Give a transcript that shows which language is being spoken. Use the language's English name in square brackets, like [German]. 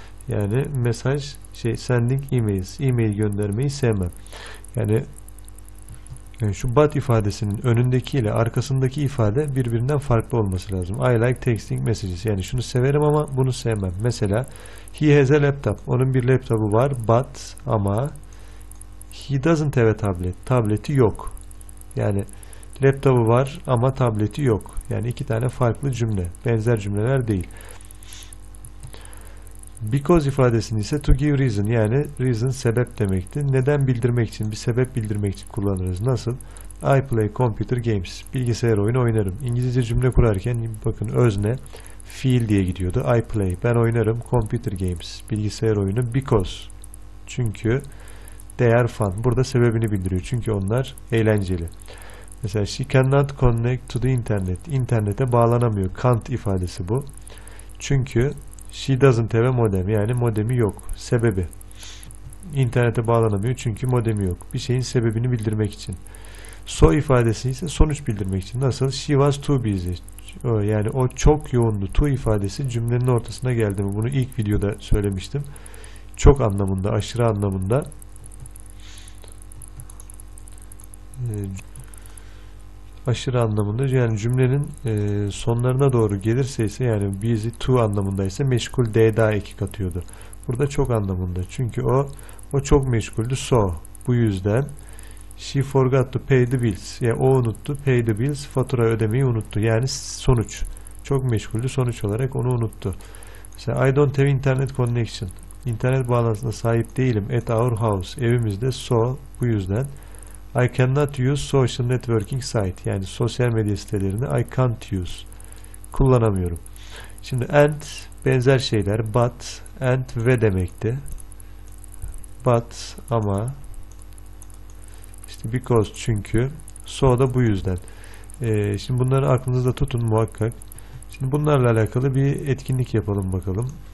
[Turkish] Yani mesaj, şey, [English] sending emails. [Turkish] E-mail göndermeyi sevmem. Yani şu but ifadesinin önündeki ile arkasındaki ifade birbirinden farklı olması lazım. [English] I like texting messages. [Turkish] Yani şunu severim ama bunu sevmem. Mesela [English] he has a laptop. [Turkish] Onun bir laptopu var. [English] But [Turkish] ama [English] he doesn't have a tablet. [Turkish] Tableti yok. Yani laptopu var ama tableti yok. Yani iki tane farklı cümle. Benzer cümleler değil. Because ifadesini ise [English] to give reason, [Turkish] yani reason sebep demekti. Neden bildirmek için, bir sebep bildirmek için kullanırız. Nasıl? [English] I play computer games. [Turkish] Bilgisayar oyunu oynarım. İngilizce cümle kurarken bakın özne fiil diye gidiyordu. [English] I play, [Turkish] ben oynarım. [English] Computer games, [Turkish] bilgisayar oyunu. Because, çünkü. [English] They are fun. [Turkish] Burada sebebini bildiriyor. Çünkü onlar eğlenceli. [English] Mesela she cannot connect to the internet. [Turkish] İnternete bağlanamıyor. Can't ifadesi bu. [English] Çünkü she doesn't have a modem. [Turkish] Yani modemi yok. Sebebi. İnternete bağlanamıyor çünkü modemi yok. Bir şeyin sebebini bildirmek için. So ifadesi ise sonuç bildirmek için. Nasıl? [English] She was too busy. [Turkish] Yani o çok yoğundu. Too ifadesi cümlenin ortasına geldi mi? Bunu ilk videoda söylemiştim. Çok anlamında, aşırı anlamında. Aşırı anlamında, yani cümlenin sonlarına doğru gelirse ise, yani busy to anlamındaysa meşgul de daha ekik atıyordu. Burada çok anlamında, çünkü o çok meşguldü, so bu yüzden. [English] She forgot to pay the bills, [Turkish] yani o unuttu, [English] pay the bills, [Turkish] fatura ödemeyi unuttu, yani sonuç. Çok meşguldü, sonuç olarak onu unuttu. Mesela [English] I don't have internet connection, [Turkish] internet bağlantısına sahip değilim, [English] at our house, [Turkish] evimizde, so bu yüzden. [English] I cannot use social networking site. [Turkish] Yani sosyal medya sitelerini [English] I can't use. [Turkish] Kullanamıyorum. Şimdi and benzer şeyler. But and ve demekti. But ama işte because çünkü so da bu yüzden. Şimdi bunları aklınızda tutun muhakkak. Şimdi bunlarla alakalı bir etkinlik yapalım bakalım.